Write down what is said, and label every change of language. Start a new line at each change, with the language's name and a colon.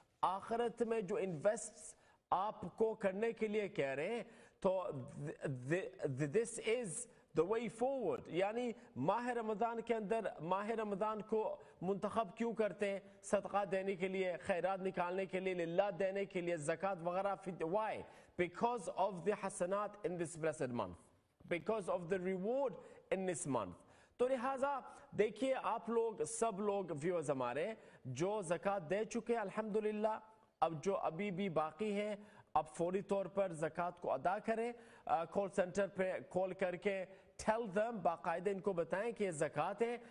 Urdu: آخرت میں جو invests آپ کو کرنے کے لیے کہہ رہے ہیں, تو
English: this is the way forward.
Urdu: یعنی ماہ رمضان کے اندر, ماہ رمضان کو منتخب کیوں کرتے ہیں صدقہ دینے کے لیے, خیرات نکالنے کے لیے, للہ دینے کے لیے, زکوٰۃ وغیرہ, why?
English: Because of the حسنات in this blessed month, because of the reward in this month.
Urdu: تو لہٰذا دیکھیے آپ لوگ, سب لوگ ویورز ہمارے جو زکوٰۃ دے چکے ہیں الحمدللہ, اب جو ابھی بھی باقی ہیں اب فوری طور پر زکوٰۃ کو ادا کریں. کال سینٹر پہ کال کر کے
English: tell them,
Urdu: باقاعدہ ان کو بتائیں کہ یہ زکوٰۃ ہے.